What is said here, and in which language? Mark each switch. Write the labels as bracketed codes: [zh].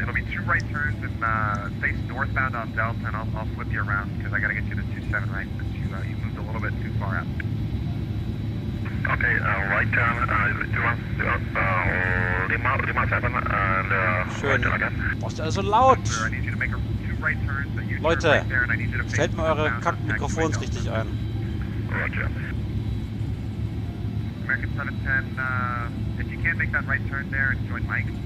[en] It'll be two right turns and face northbound on Delta, and I'll flip you around because I got to get you to 27 right, but you moved a little bit too far out. Okay, right turn, 217, and [de] schön. [en] Right turn again. [de] Also laut. [en] I need you to make a two right turns. [de] Leute, stellt mal eure Kack-Mikrofons richtig ein. [en] Roger. American 710, if you can't make that right turn there and join Mike.